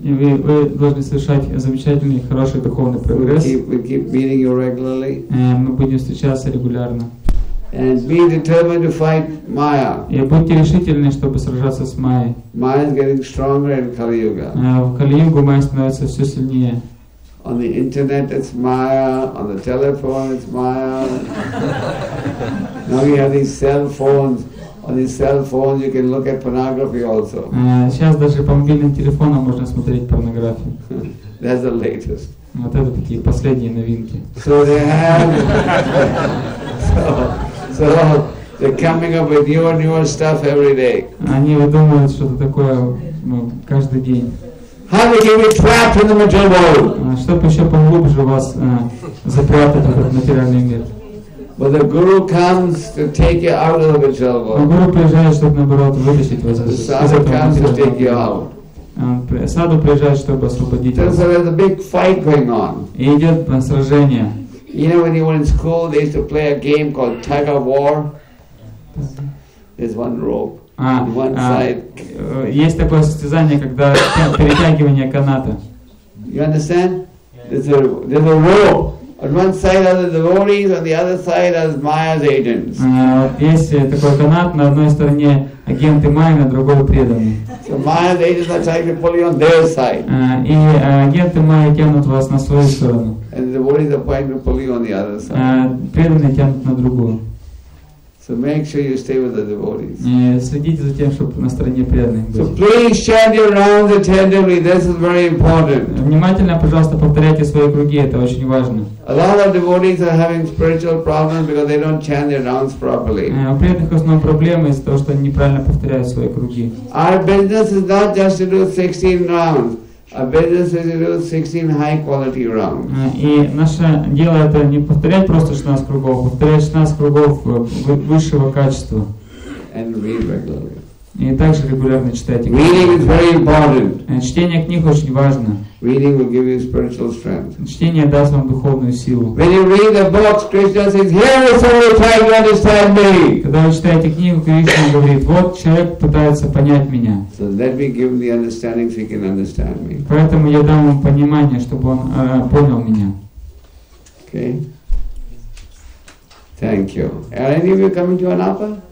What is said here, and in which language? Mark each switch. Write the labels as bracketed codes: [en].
[ru] И вы должны совершать замечательный, хороший духовный прогресс. [en] We keep meeting you regularly. [ru] Мы будем встречаться регулярно. [en] And be determined to fight Maya. [ru] И будьте решительны, чтобы сражаться с Майей. [en] Maya is getting stronger in Kali Yuga. [ru] В Кали-Югу Майя становится все сильнее. [en] On the internet it's Maya, on the telephone it's Maya. Now we have these cell phones. On your cell phone, you can look at pornography also. [ru] Сейчас даже по мобильным телефонам можно смотреть порнографию. [en] That's the latest. [ru] Вот это такие последние новинки. [en] So they have. So they're coming up with newer and newer stuff every day. [ru] Они выдумывают что-то такое каждый день. [en] How to get trapped in the material world? [ru] Чтобы еще поглубже вас запрятать в материальный мир. [en] But the guru comes to take you out of the material world. [ru] Но гуру приезжает, чтобы наоборот вытащить вас. [en] The sadhu comes to take you out. [ru] Саду приезжает, чтобы освободить вас. [en] So there's a big fight going on. [ru] И идет сражение. [en] You know, when you were in school, they used to play a game called tug of war. There's one rope. One side. [ru] Есть такое состязание, когда перетягивание каната. [en] You understand? There's a rope, a On one side are the devotees, on the other side are Maya's agents. [ru] Есть такой канат, на одной стороне агенты Майи, на другой преданные. [en] So Maya's agents are trying to pull you on their side. [ru] Агенты Майи тянут вас на свою сторону. [en] And the devotees are trying to pull you on the other side. [ru] Преданные тянут на другую. [en] So make sure you stay with the devotees. [ru] Следите за тем, чтобы на стороне преданных быть. [en] So please chant your rounds attentively. This is very important. [ru] Внимательно, пожалуйста, повторяйте свои круги. Это очень важно. [en] A lot of devotees are having spiritual problems because they don't chant their rounds properly. [ru] У преданных в основном проблемы из-за того, что они неправильно повторяют свои круги. [en] Our business is not just to do 16 rounds. Our business is to do 16 high-quality rounds. [ru] И наше дело это не повторять просто 16 кругов, повторять 16 кругов высшего качества. [en] And read regularly. [ru] И также регулярно читайте книги. [en] Reading is very important. [ru] Чтение книг очень важно. [en] Reading will give you spiritual strength. [ru] Чтение даст вам духовную силу. [en] When you read the books, Krishna says, "Here is someone trying to understand me." [ru] Когда вы читаете книгу, Кришна говорит, вот человек пытается понять меня. [en] So let me give him the understanding so he can understand me. [ru] Поэтому я дам ему понимание, чтобы он понял меня. [en] Okay. Thank you. Are any of you coming to Anapa?